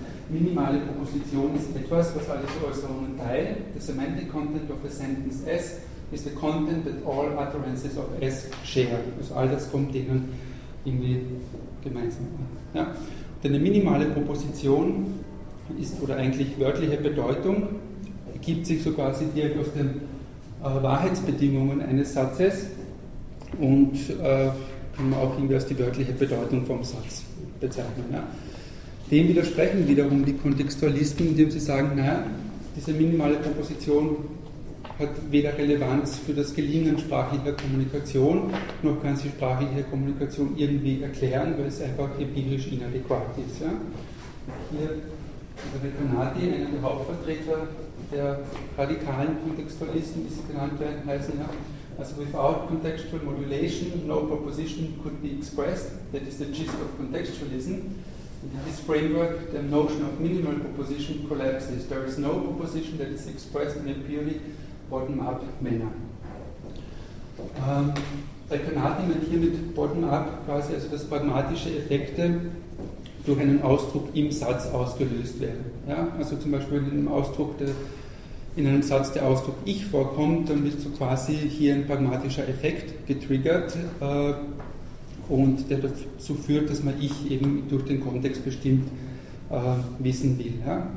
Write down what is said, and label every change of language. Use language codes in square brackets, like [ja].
[de] Minimale Proposition ist etwas, was alle Äußerungen teilt. [en] The semantic content of a sentence S is the content that all utterances of S share. [de] Also all das kommt denen irgendwie gemeinsam an. Ja. Denn eine minimale Proposition ist, oder eigentlich wörtliche Bedeutung, ergibt sich so quasi direkt aus den Wahrheitsbedingungen eines Satzes und kann man auch irgendwie als die wörtliche Bedeutung vom Satz bezeichnen. Ja. Dem widersprechen wiederum die Kontextualisten, indem sie sagen, naja, diese minimale Proposition hat weder Relevanz für das Gelingen sprachlicher Kommunikation, noch kann sie sprachliche Kommunikation irgendwie erklären, weil es einfach empirisch inadäquat ist. Ja. Hier Recanati, einer der Hauptvertreter der radikalen Kontextualisten, wie sie genannt werden, heißen, ja, also [en] without contextual modulation, no proposition could be expressed, that is the gist of contextualism. In this framework, the notion of minimal proposition collapses. There is no proposition that is expressed in a purely bottom-up manner. [de] Recanati meint hier mit bottom-up quasi, also dass pragmatische Effekte durch einen Ausdruck im Satz ausgelöst werden. Ja? Also zum Beispiel in einem Ausdruck, in einem Satz der Ausdruck Ich vorkommt, dann wird so quasi hier ein pragmatischer Effekt getriggert und der dazu führt, dass man Ich eben durch den Kontext bestimmt wissen will. Ja?